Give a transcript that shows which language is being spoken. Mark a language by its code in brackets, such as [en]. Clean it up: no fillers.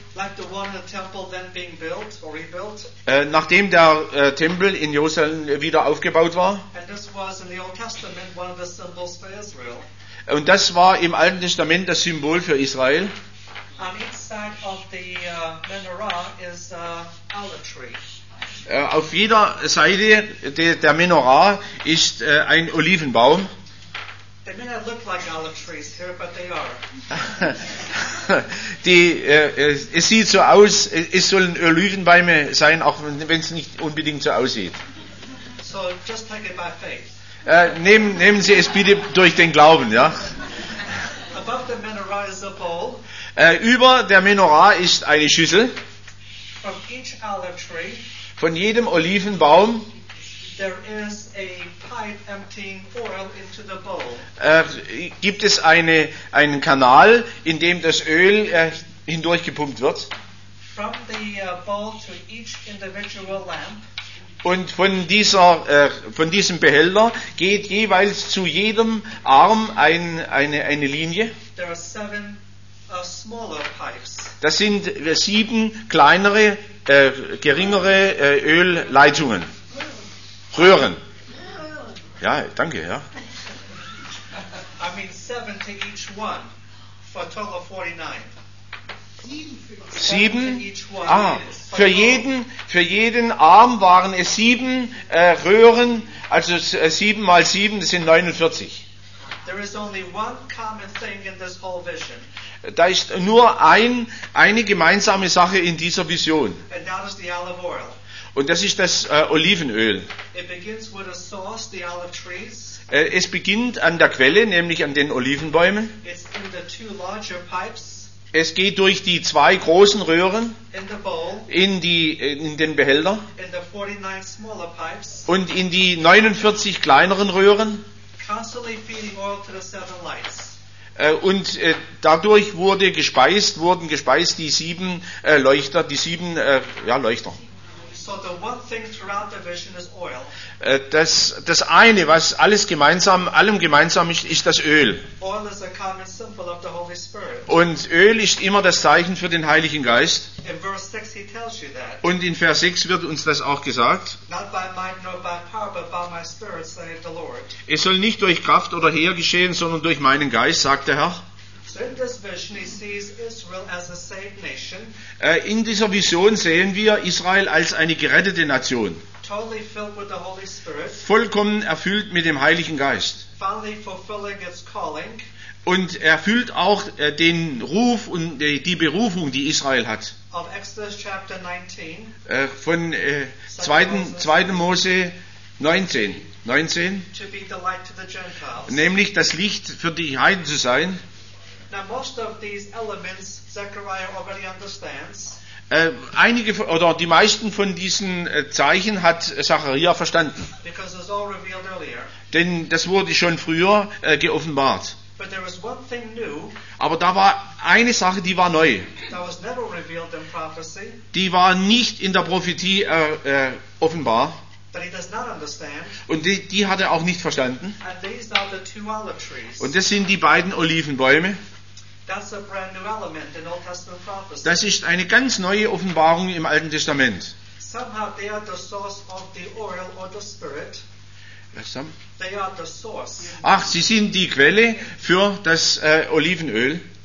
[en] Like the one the temple then being built or rebuilt. [de] Nachdem der Tempel in Jerusalem wieder aufgebaut war. [en] And this was in the Old Testament one of the symbols for Israel. [de] Und das war im Alten Testament das Symbol für Israel. [en] On each side of the menorah is an olive tree. [de] Auf jeder Seite der Menorah ist ein Olivenbaum. [en] They may not look like olive trees here, but they are. [de] Es sieht so aus, es sollen Olivenbäume sein, auch wenn es nicht unbedingt so aussieht. [en] So just take it by faith. [de] Nehmen Sie es bitte durch den Glauben, ja. [en] Above the menorah is a bowl. [de] Über der Menorah ist eine Schüssel. [en] From each olive tree, [de] von jedem Olivenbaum [en] there is a pipe emptying oil into the bowl. [de] Gibt es einen Kanal, in dem das Öl hindurch gepumpt wird. [en] From the bowl to each individual lamp. [de] Und von diesem Behälter geht jeweils zu jedem Arm eine Linie. [en] There are seven smaller pipes. [de] Das sind sieben kleinere, geringere Ölleitungen. Röhren. Ja, danke, ja. [en] I mean seven to each one for a total of 49. [de] Sieben? Ah, für jeden Arm waren es sieben Röhren, also sieben mal sieben, das sind 49. [en] There is only one common thing in this whole vision. [de] Da ist nur eine gemeinsame Sache in dieser Vision. [en] And that is the olive oil. [de] Und das ist das Olivenöl. [en] It begins with a source, the olive trees. [de] Es beginnt an der Quelle, nämlich an den Olivenbäumen. [en] It's in the two larger pipes. [de] Es geht durch die zwei großen Röhren [en] in, the bowl, [de] in den Behälter [en] in the 49 smaller pipes, [de] und in die 49 kleineren Röhren. [en] Constantly feeding oil to the seven lights. [de] Und dadurch wurden gespeist die sieben Leuchter. Die sieben, ja, Leuchter. [en] So the one thing throughout the vision is oil. [de] Das eine, was allem gemeinsam ist, ist das Öl. [en] Oil is a common symbol of the Holy Spirit. [de] Und Öl ist immer das Zeichen für den Heiligen Geist. [en] In verse 6 he tells you that. [de] Und in Vers 6 wird uns das auch gesagt. [en] Not by might nor by power, but by my Spirit, saith the Lord. [de] Es soll nicht durch Kraft oder Heer geschehen, sondern durch meinen Geist, sagt der Herr. [en] In this vision he sees Israel as a saved nation. [de] In dieser Vision sehen wir Israel als eine gerettete Nation. [en] Totally filled with the Holy Spirit. [de] Vollkommen erfüllt mit dem Heiligen Geist. [en] Finally fulfilling its calling. [de] Und erfüllt auch den Ruf und die Berufung, die Israel hat. [en] Of Exodus chapter 19. [de] Von 2. Mose 19. 19. [en] To be the light to the Gentiles. [de] Nämlich das Licht für die Heiden zu sein. [en] Now most of these elements Zechariah already understands. [de] Einige oder die meisten von diesen Zeichen hat Zachariah verstanden. [en] Because it was all revealed earlier. [de] Denn das wurde schon früher geoffenbart. [en] But there was one thing new. [de] Aber da war eine Sache, die war neu. [en] That was never revealed in prophecy. [de] Die war nicht in der Prophetie offenbar. [en] But he does not understand. [de] Und die hat er auch nicht verstanden. [en] And these are the two olive trees. [de] Und das sind die beiden Olivenbäume. [en] That's a brand new element in Old Testament prophecy. [de] Das ist eine ganz neue Offenbarung im Alten Testament. [en] Somehow they are the source of the oil or the spirit. They are the source. [de] Ach, sie sind die Quelle für das Olivenöl.